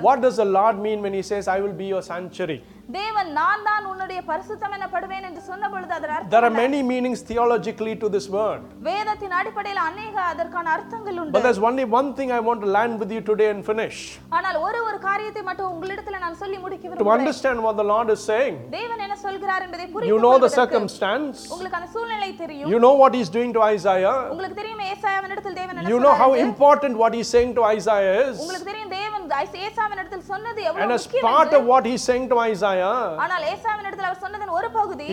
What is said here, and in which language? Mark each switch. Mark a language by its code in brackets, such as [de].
[en] what does the lord mean when he says i will be your sanctuary [ta] தேவன் நான் தான் உன்னுடைய பரிசுத்தம் எனப்படுவேன் என்று சொன்னபொழுது அதன் அர்த்தம் [en] there are many meanings theologically to this word [ta] வேதத்தின் அடிப்படையில் [hi] अनेक [ta] அதற்கான அர்த்தங்கள் உண்டு [en] but there's only one thing i want to land with you today and finish [ta] ஆனால் ஒரு காரியத்தை மட்டும் உங்களிடத்தில் நான் சொல்லி முடிக்க விரும்புகிறேன் [en] to understand what the lord is saying [ta] தேவன் என்ன சொல்கிறார் என்பதை புரிந்து [en] you know the circumstance [ta] உங்களுக்கு அந்த சூழ்நிலை தெரியும் [en] you know what he is doing to isaiah [ta] உங்களுக்கு தெரியும் ஏசாயாவின் இடத்தில் தேவன் என்ன [en] you know how important what he is saying to isaiah is [ta] உங்களுக்கு தெரியும் தேவன் ஏசாயாவின் இடத்தில் சொன்னது எவ்வளவு முக்கியம் [en] and as part of what he is saying to isaiah [ta] ஆனால் ஏசாயாவின் இடத்தில் அவர் சொன்னதன் ஒரு பகுதி